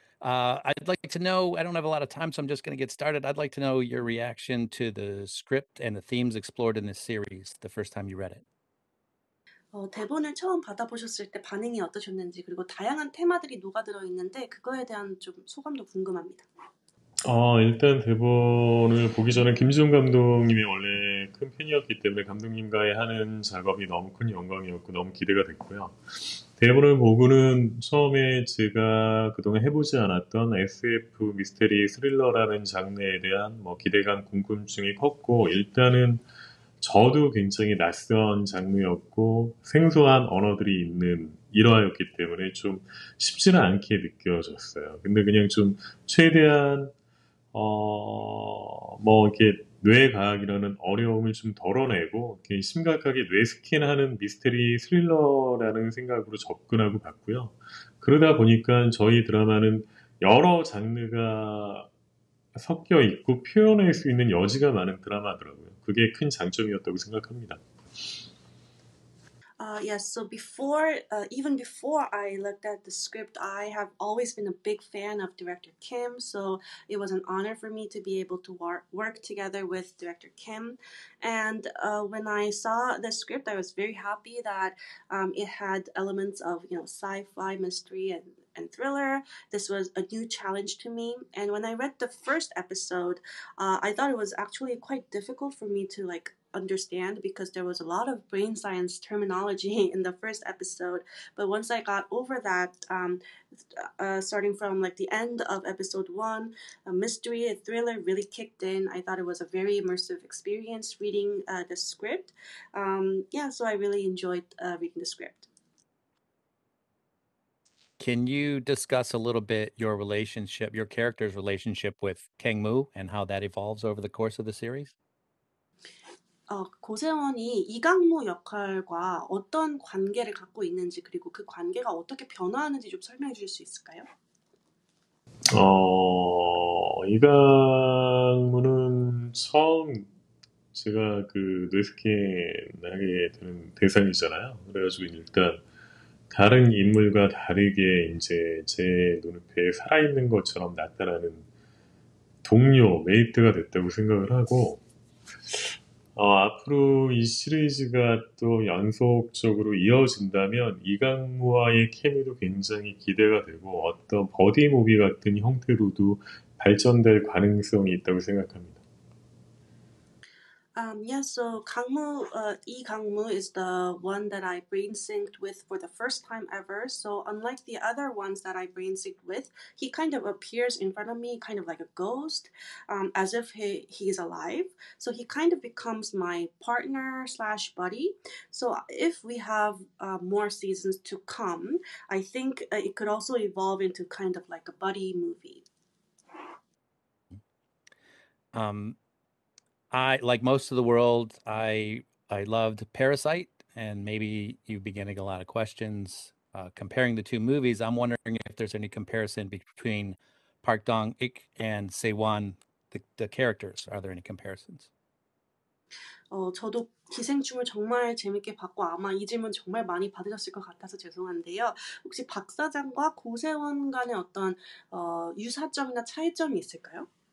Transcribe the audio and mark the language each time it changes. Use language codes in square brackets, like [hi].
[en] I'd like to know, I don't have a lot of time, so I'm just going to get started. I'd like to know your reaction to the script and the themes explored in this series the first time you read it. [ko] 대본을 처음 받아보셨을 때 반응이 어떠셨는지, 그리고 다양한 테마들이 녹아들어 있는데 그거에 대한 좀 소감도 궁금합니다. 일단 대본을 보기 전에 김지훈 감독님이 원래 큰 팬이었기 때문에 감독님과의 하는 작업이 너무 큰 영광이었고 너무 기대가 됐고요. 대본을 보고는 처음에 제가 그동안 해보지 않았던 SF 미스터리 스릴러라는 장르에 대한 뭐 기대감, 궁금증이 컸고 일단은 저도 굉장히 낯선 장르였고 생소한 언어들이 있는 일화였기 때문에 좀 쉽지는 않게 느껴졌어요. 근데 그냥 좀 최대한 이렇게 뇌과학이라는 어려움을 좀 덜어내고, 이렇게 심각하게 뇌스캔하는 미스터리 스릴러라는 생각으로 접근하고 봤고요. 그러다 보니까 저희 드라마는 여러 장르가 섞여 있고 표현할 수 있는 여지가 많은 드라마더라고요. 그게 큰 장점이었다고 생각합니다. [en] So before, even before I looked at the script, I have always been a big fan of director Kim. So it was an honor for me to be able to work together with director Kim. And when I saw the script, I was very happy that it had elements of, sci-fi, mystery, and thriller. This was a new challenge to me. And when I read the first episode, I thought it was actually quite difficult for me to understand because there was a lot of brain science terminology in the first episode. But once I got over that, starting from like the end of episode one, a mystery, a thriller really kicked in. I thought it was a very immersive experience reading the script. So I really enjoyed reading the script. Can you discuss a little bit your relationship, your character's relationship with Kang Mu and how that evolves over the course of the series? [ko] 고세원이 이강무 역할과 어떤 관계를 갖고 있는지, 그리고 그 관계가 어떻게 변화하는지 좀 설명해 주실 수 있을까요? 이강무는 처음 제가 그 뇌스캔하게 되는 대상이잖아요. 그래가지고 일단 다른 인물과 다르게 이제 제 눈앞에 살아있는 것처럼 나타나는 동료, 메이트가 됐다고 생각을 하고, 앞으로 이 시리즈가 또 연속적으로 이어진다면 이강무와의 케미도 굉장히 기대가 되고 어떤 버디무비 같은 형태로도 발전될 가능성이 있다고 생각합니다. [en] So Lee Kang-mu is the one that I brain synced with for the first time ever. So unlike the other ones that I brain synced with, he kind of appears in front of me, kind of like a ghost, as if he's alive. So he kind of becomes my partner slash buddy. So if we have more seasons to come, I think it could also evolve into kind of like a buddy movie. I, like most of the world, I loved Parasite, and maybe you've been getting a lot of questions comparing the two movies. I'm wondering if there's any comparison between Park Dong-ik and Sae-won, the characters. Are there any comparisons? [ko] 저도 기생충을 정말 재밌게 봤고 아마 이 질문 정말 많이 받으셨을 것 같아서 죄송한데요. 혹시 박사장과 고세원 간의 어떤 유사점이나 차이점이 있을까요?